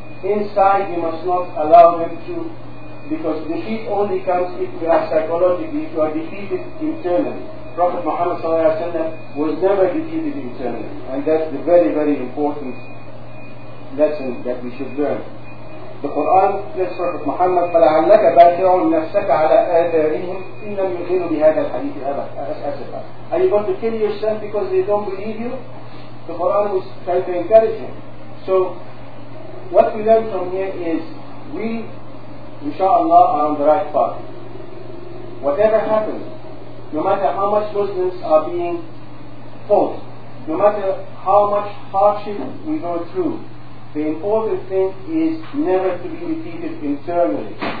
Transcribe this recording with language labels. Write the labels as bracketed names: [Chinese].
[English] Inside, you must not allow them to, because defeat only comes if you are psychologically, if you are defeated internally. Prophet Muhammad sallallahu alaihi wasallam was never defeated internally, and that's the very, very important lesson that we should learn. The Quran says, Prophet Muhammad, [Arabic] فَلَعَلَّكَ بَاخِعُ نَفْسَكَ عَلَىٰ آثَارِهِمْ إِنْ لَمْ يُؤْمِنُوا بِهَذَا الْحَدِيثِ أَسَفًا. [English] Are you going to kill yourself because they don't believe you? The Quran was trying to encourage him. So what we learn from here is we, inshallah, are on the right path. Whatever happens, no matter how much Muslims are being fought, no matter how much hardship we go through, the important thing is never to be defeated internally.